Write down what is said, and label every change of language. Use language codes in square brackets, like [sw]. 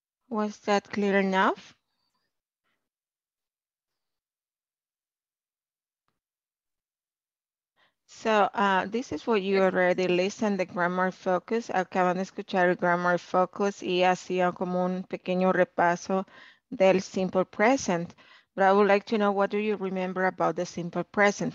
[en] Was that clear enough? So this is what you already listened, the grammar focus. [es] Acaban de escuchar el grammar focus y hacían como un pequeño repaso del simple present. [en] But I would like to know, what do you remember about the simple present?